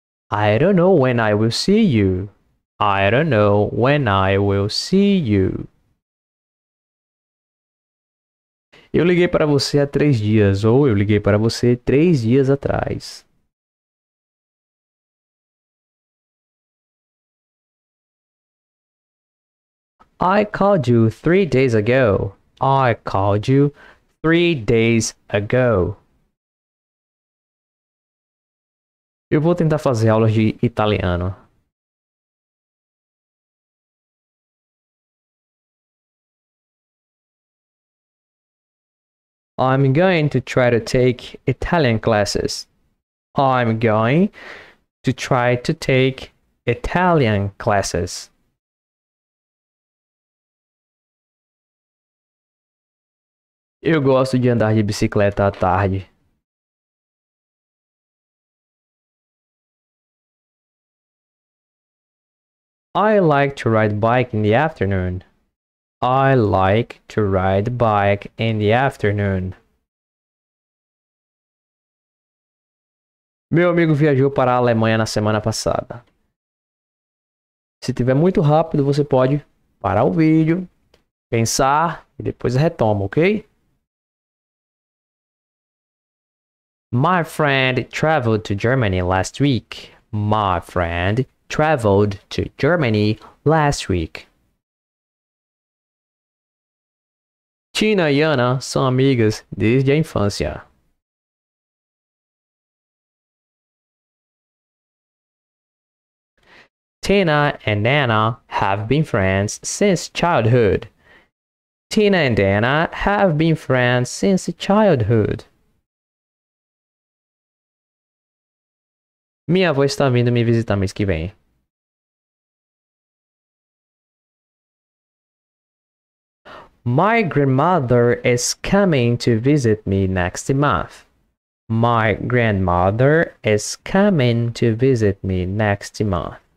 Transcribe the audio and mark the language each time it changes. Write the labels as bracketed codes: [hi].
[en] I don't know when I will see you. I don't know when I will see you. [pt] Eu liguei para você há 3 dias, ou eu liguei para você 3 dias atrás. [en] I called you 3 days ago. I called you 3 days ago. [pt] Eu vou tentar fazer aulas de italiano. [en] I'm going to try to take Italian classes. I'm going to try to take Italian classes. [pt] Eu gosto de andar de bicicleta à tarde. [en] I like to ride bike in the afternoon. I like to ride bike in the afternoon. [pt] Meu amigo viajou para a Alemanha na semana passada. Se tiver muito rápido, você pode parar o vídeo, pensar e depois retoma, ok? [en] My friend traveled to Germany last week. My friend traveled to Germany last week. [pt] Tina e Ana são amigas desde a infância. [en] Tina and Anna have been friends since childhood. Tina and Anna have been friends since childhood. [pt] Minha avó está vindo me visitar mês que vem. [en] My grandmother is coming to visit me next month. My grandmother is coming to visit me next month.